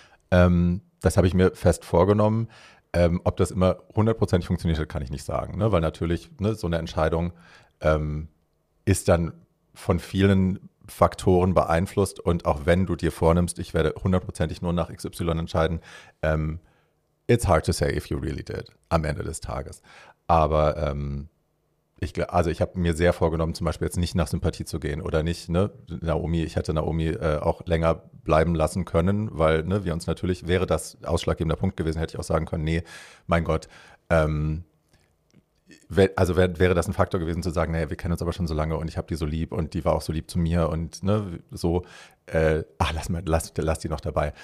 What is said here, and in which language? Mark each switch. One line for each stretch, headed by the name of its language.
German: Das habe ich mir fest vorgenommen. Ob das immer hundertprozentig funktioniert hat, kann ich nicht sagen, ne? Weil natürlich, ne, so eine Entscheidung ist dann von vielen Faktoren beeinflusst, und auch wenn du dir vornimmst, ich werde hundertprozentig nur nach XY entscheiden,
English: it's hard to say if you really did
German: am Ende des Tages. Aber ich habe mir sehr vorgenommen, zum Beispiel jetzt nicht nach Sympathie zu gehen oder nicht, ne? Naomi, ich hätte Naomi auch länger bleiben lassen können, weil, ne, wir uns natürlich, wäre das ausschlaggebender Punkt gewesen, hätte ich auch sagen können, nee, mein Gott, wäre das ein Faktor gewesen zu sagen, naja, wir kennen uns aber schon so lange und ich habe die so lieb und die war auch so lieb zu mir und ne, so, lass die noch dabei.